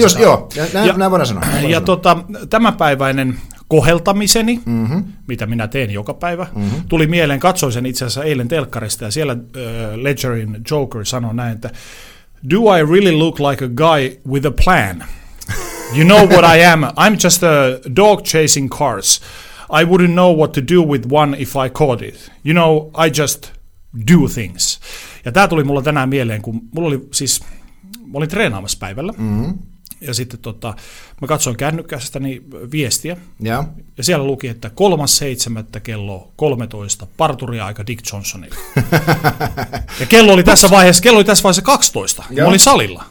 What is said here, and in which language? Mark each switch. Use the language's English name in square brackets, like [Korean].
[Finnish] Just, joo, näin voidaan sanoa. Ja tämänpäiväinen koheltamiseni, mitä minä teen joka päivä, tuli mieleen, katsoin sen itse asiassa eilen telkkarista, ja siellä Ledgerin Joker sanoi näin, että [English] do I really look like a guy with a plan? You know what I am? I'm just a dog chasing cars. I wouldn't know what to do with one if I caught it. You know, I just do things. [Finnish] Ja tämä tuli mulla tänään mieleen, kun mulla oli siis, mä olin treenaamassa päivällä, ja sitten mä katsoin kännykkästäni viestiä, ja siellä luki, että 3.7. kello 13, parturiaika Dick Johnsonille. Ja kello oli tässä vaiheessa 12, ja mä olin salilla.